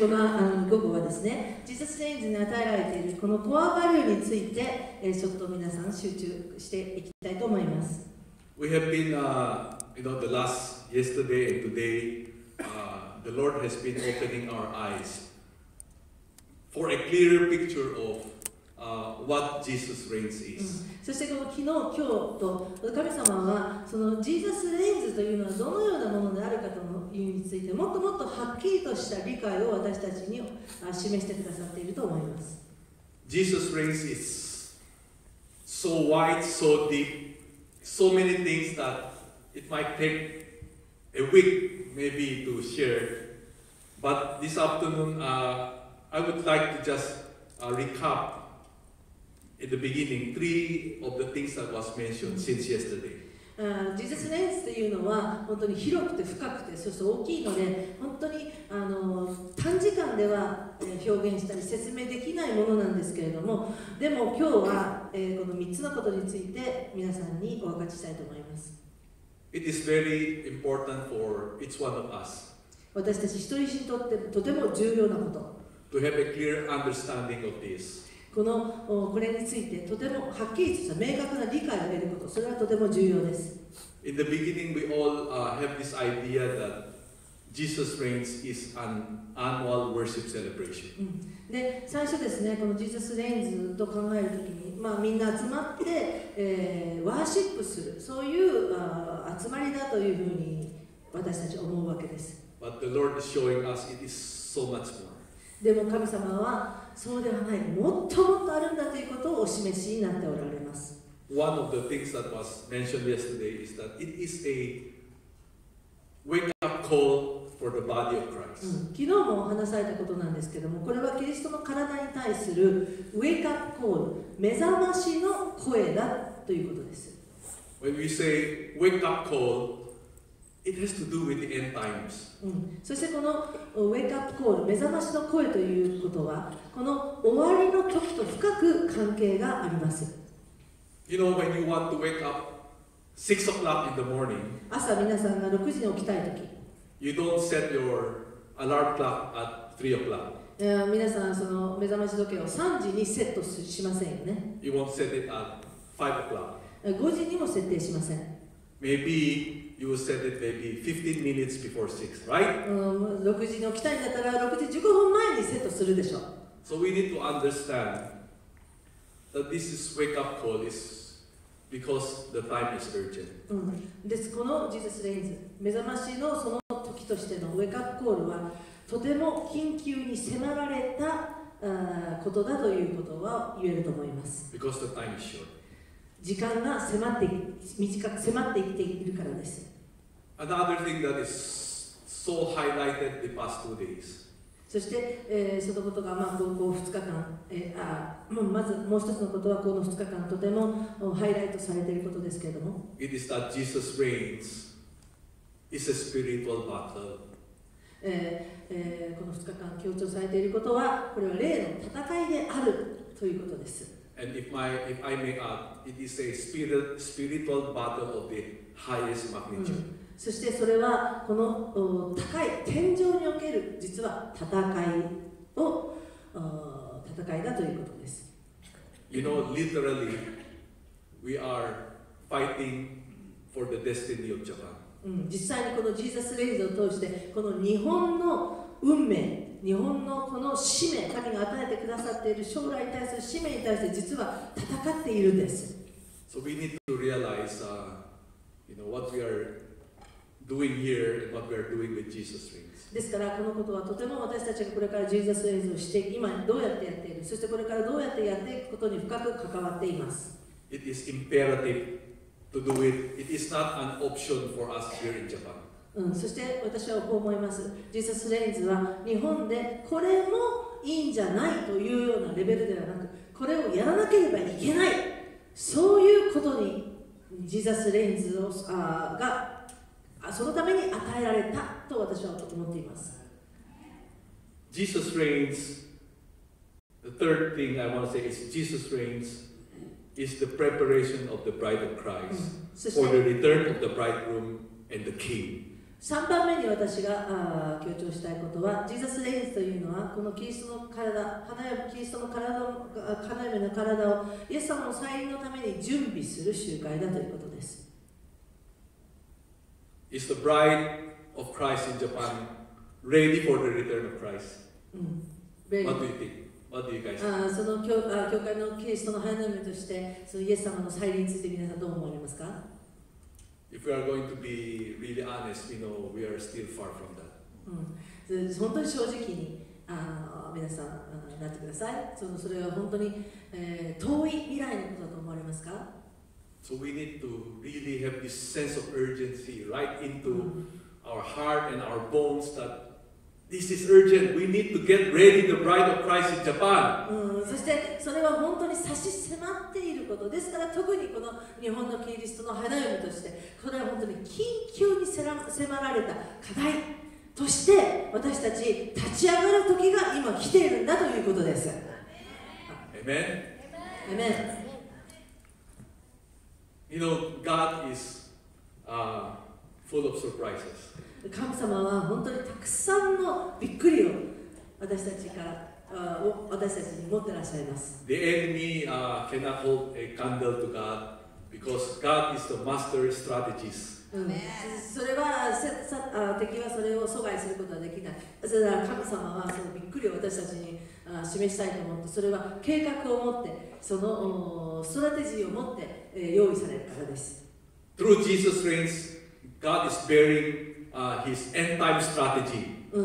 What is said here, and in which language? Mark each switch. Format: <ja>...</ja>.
<ja>この午後はですね、Jesus Reigns に与えられているこのコアバリューについて、ちょっと皆さん集中していきたいと思います。</ja> <en>We have been, you know, the last yesterday and today, the Lord has been opening our eyes for a clearer picture of what Jesus Reigns is.</en> <ja>そしてこの昨日、今日と神様はそのジーザスレンズというのはどのようなものであるかというについてもっともっとはっきりとした理解を私たちに示してくださっていると思います。</ja> <en>Jesus Reigns is so wide, so deep, so many things that it might take a week maybe to share. But this afternoon, I would like to just recap. In the beginning, three of the things that was mentioned since yesterday.</en> <ja>Jesus Reigns というのは本当に広くて深くてそして大きいので本当に短時間では表現したり説明できないものなんですけれどもでも今日は、この3つのことについて皆さんにお分かちしたいと思います。</ja> <en>It is very important for each one of us.</en> <ja>私たち一人にとってとても重要なこと。</ja> <en>To have a clear understanding of this.</en> <ja>これについてとてもはっきりとした明確な理解を得ること、それはとても重要です。</ja> <en>In the beginning, we all have this idea that Jesus Reigns is an annual worship celebration.</en> <ja>で、最初ですね、この Jesus Reigns と考えるときに、まあみんな集まって、ワーシップする、そういう集まりだというふうに私たち思うわけです。</ja> <en>But the Lord is showing us it is so much more.</en> <ja>でも神様はそうではない、もっともっとあるんだということをお示しになっておられます。</ja> <en>One of the things that was mentioned yesterday is that it is a wake-up call for the body of Christ.、う</en> <ja>ん、昨日もお話されたことなんですけども、これはキリストの体に対するwake-up call、目覚ましの声だということです。</ja> <en>When we say wake-up call,It has to do with the end times.</en> <ja>うん、そしてこのウェイクアップコール、目覚ましの声ということは、この終わりの時と深く関係があります。</ja> <en>You know, when you want to wake up 6 o'clock in the morning,</en> <ja>朝皆さんが6時に起きたいとき、</ja> <en>you don't set your alarm clock at 3 o'clock.</en> <ja>皆さんその目覚まし時計を3時にセットしませんよね。</ja> <en>You won't set it at 5 o'clock.</en> <ja>5時にも設定しません。</ja> <en>Maybe you said it maybe 15 minutes before 6, right?</en> <ja>6時に起きたいんだったら6時15分前にセットするでしょう。</ja> <en>So we need to understand that this is wake up call is because the time is urgent.</en> <ja>です、この Jesus Reigns 目覚ましのその時としてのウェイクアップコールはとても緊急に迫られたことだということは言えると思います。</ja> <en>Because the time is short.</en> <ja>時間が迫っているからです。</ja> <en>Another thing that is so highlighted the past two days.</en> <ja>そして、そのことが、まあ、こう2日間、まずもう一つのことはこの2日間とてもハイライトされていることですけれども。</ja> <en>It is that Jesus reigns is a spiritual battle.</en> <ja>この2日間強調されていることはこれは霊の戦いであるということです。</ja> <en>And if I may add, it is a spiritual battle of the highest magnitude.、うん、</en> <ja>そしてそれはこの高い天井における実は戦いだということです。</ja> <en>You know, literally, we are fighting for the destiny of Japan.、</en> <ja>うん、実際にこのジーザスレイズを通して、この日本の運命、日本のこの使命、神が与えてくださっている将来に対する使命に対して実は戦っているんです。</ja> <en>So we need to realize, you know, what we are doing here and what we are doing with Jesus Reigns.</en> <ja>ですからこのことはとても私たちがこれからジーザスレイズをして、今どうやってやっている、そしてこれからどうやってやっていくことに深く関わっています。</ja> <en>It is imperative to do it. It is not an option for us here in Japan.</en> <ja>うん、そして私はこう思います。ジーサスレインズは日本でこれもいいんじゃないというようなレベルではなく、これをやらなければいけない、そういうことにジーサスレインズをがそのために与えられたと私は思っています。</ja> <en>ジーサスレインズ The third thing I want to say is Jesus reigns is the preparation of the bride of Christ for the return of the bridegroom and the king.</en> <ja>3番目に私が強調したいことは、ジーサスレインズというのはこのキリストの体、花嫁、キリストの体、花嫁の体をイエス様の再臨のために準備する集会だということです。</ja> <en>Is the bride of Christ in Japan ready for the return of Christ? What do you think?</en> <ja>その教会のキリストの花嫁として、そのイエス様の再臨について皆さんどう思われますか？</ja> <en>If we are going to be really honest, you know, we are still far from that.</en> <ja>本当に正直に皆さんなってください。それは本当に遠い未来のことだと思われますか？</ja> <en>So we need to really have this sense of urgency right into our heart and our bones thatThis is urgent. We need to get ready the bride of Christ in Japan.</en> <ja>そしてそれは本当に差し迫っていること。ですから特にこの日本のキリストの花嫁として、これは本当に緊急に迫られた課題として、私たち立ち上がる時が今来ているんだということです。</ja> <en>Amen. Amen. You know, God is full of surprises.</en> <ja>神様は本当にたくさんのびっくりを私たちから私たちに持ってらっしゃいます。</ja> <en>The enemy cannot hold a candle to God because God is the master strategist.</en> <ja>それは敵はそれを阻害することはできない。それは神様はそのびっくりを私たちに示したいと思って、それは計画を持って、そのストラテジーを持って用意されるからです。</ja> <en>Through Jesus reigns, God is bearing. His end time strategy.</en>